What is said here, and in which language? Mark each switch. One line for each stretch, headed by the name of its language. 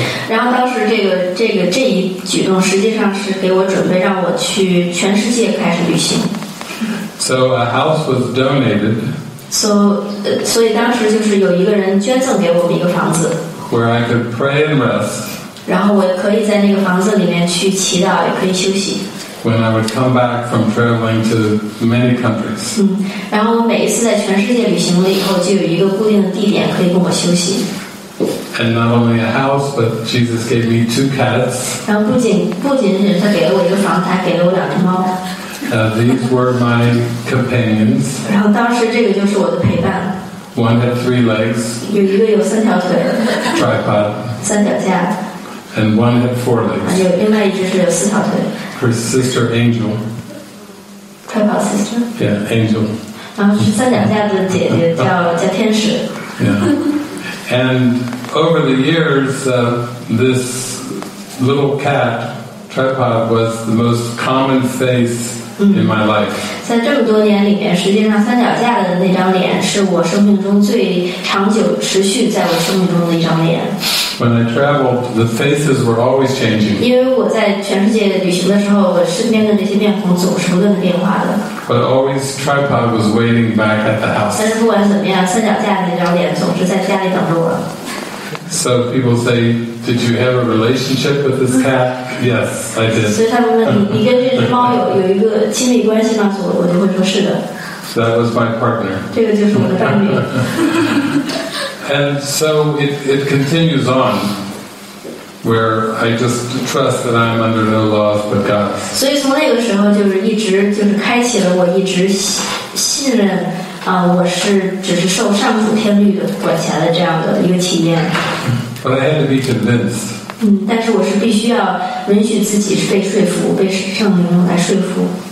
Chinese: 然后当时这一举动实际上是给我准备让我去全世界开始旅行。
English: So a house was donated.
Chinese: So 当时就是有一个人捐赠给我们一个房子。
English: Where I could pray and rest.
Chinese: 然后我可以在那个房子里面去祈祷，也可以休息。
English: When I would come back from traveling to many countries.
Chinese: 然后我每一次在全世界旅行了以后，就有一个固定的地点可以跟我休息。
English: And not only a house, but Jesus gave me 2 cats.
Chinese: 然后不仅仅他给了我一个房子，还给了我2只猫。
English: These were my companions.
Chinese: 然后当时这个就是我的陪伴。
English: One had 3 legs.
Chinese: 有一个有3条腿。
English: Tripod.
Chinese: 3脚架。
English: And one had 4 legs.
Chinese: 有另外一只是有4条腿。
English: Her sister Angel. Tripod sister. Yeah, Angel.
Chinese: 然后是3脚架的姐姐叫天使。
English: Yeah. And over the years, this little cat tripod was the most common face in my life.
Chinese: 在这么多年里面，实际上三脚架的那张脸是我生命中最长久持续在我生命中的一张脸。
English: When I traveled, the faces were always changing.
Chinese: 因为我在全世界旅行的时候，我身边的那些面孔总是不断的变化的。
English: But always, tripod was waiting back at the house.
Chinese: 但是不管怎么样，三脚架那张脸总是在家里等着我。
English: So people say, "Did you have a relationship with this cat?" Yes, I did.
Chinese: 所以他们问你跟这只猫有一个亲密关系吗？我就会说是的。
English: That was my partner.
Chinese: 这个就是我的伴侣。
English: And so it continues on, where I just trust that I'm under no laws but God's.
Chinese: 所以从那个时候就是一直就是开启了我一直信任我是只是受上主天律管辖的这样的一个体验。
English: But I had to be convinced.
Chinese: 但是我是必须要允许自己是被说服，被圣灵来说服。